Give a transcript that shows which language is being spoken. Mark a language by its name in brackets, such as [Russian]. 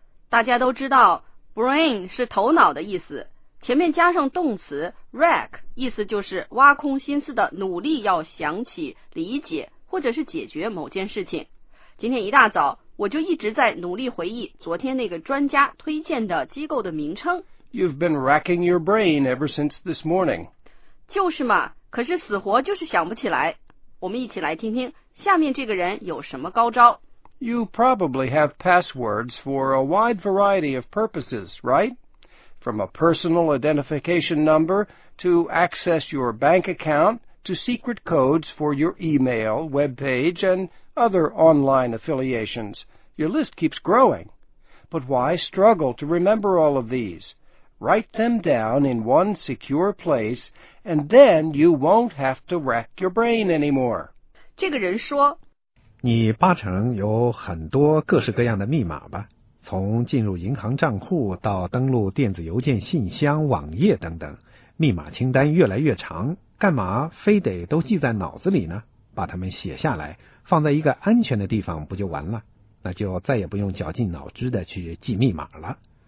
[Chinese] 大家都知道 brain 是头脑的意思，前面加上动词 rack 意思就是挖空心思的努力要想起理解或者是解决某件事情。今天一大早我就一直在努力回忆昨天那个专家推荐的机构的名称。 [English] You've been racking your brain ever since this morning. [Chinese] 就是嘛，可是死活就是想不起来。我们一起来听听下面这个人有什么高招。 [English] You probably have passwords for a wide variety of purposes, right? From a personal identification number to access your bank account to secret codes for your email, web page, and other online affiliations. Your list keeps growing. But why struggle to remember all of these? Write them down in one secure place, and then you won't have to rack your brain anymore. [Chinese] 这个人说你八成有很多各式各样的密码吧，从进入银行账户到登录电子邮件信箱网页等等，密码清单越来越长，干嘛非得都记在脑子里呢？把它们写下来放在一个安全的地方不就完了，那就再也不用绞尽脑汁的去记密码了。